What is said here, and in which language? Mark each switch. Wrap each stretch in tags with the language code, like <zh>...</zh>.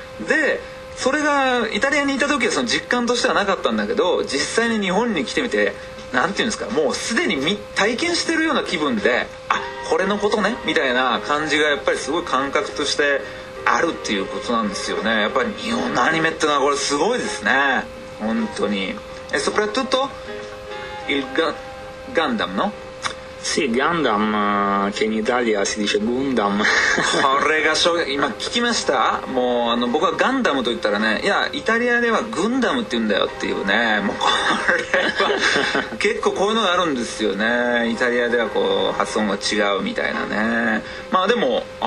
<ja>でそれがイタリアにいた時はその実感としてはなかったんだけど、実際に日本に来てみてなんていうんですか、もうすでに体験してるような気分で、あこれのことねみたいな感じがやっぱりすごい感覚としてあるっていうことなんですよね。やっぱり日本のアニメってのはこれすごいですね本当に。</ja> <it>え、soprattutto il Gundam no? Sì, Gundam che in Italia si dice Gundam.</it> <ja>これが今聞きました。もうあの僕はガンダムと言ったらね、いやイタリアではグンダムって言うんだよっていうね、もうこれは結構こういうのがあるんですよね。イタリアではこう発音が違うみたいなね。まあでも</ja>